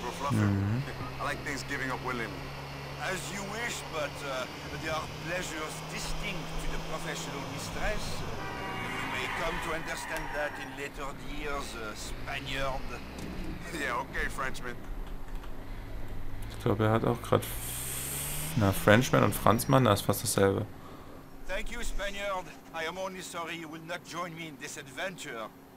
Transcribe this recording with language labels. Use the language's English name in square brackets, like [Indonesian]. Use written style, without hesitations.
[English] I like things giving up willing. As you wish, but there are pleasures distinct to the professional distress. You may come to understand that in later years, Spaniard. Yeah, okay, Frenchman. [German] Ich glaube, er hat auch gerade na Frenchman und Franzmann, das ist fast dasselbe. [English] Thank you, Spaniard. I am only sorry you will not join me in this adventure.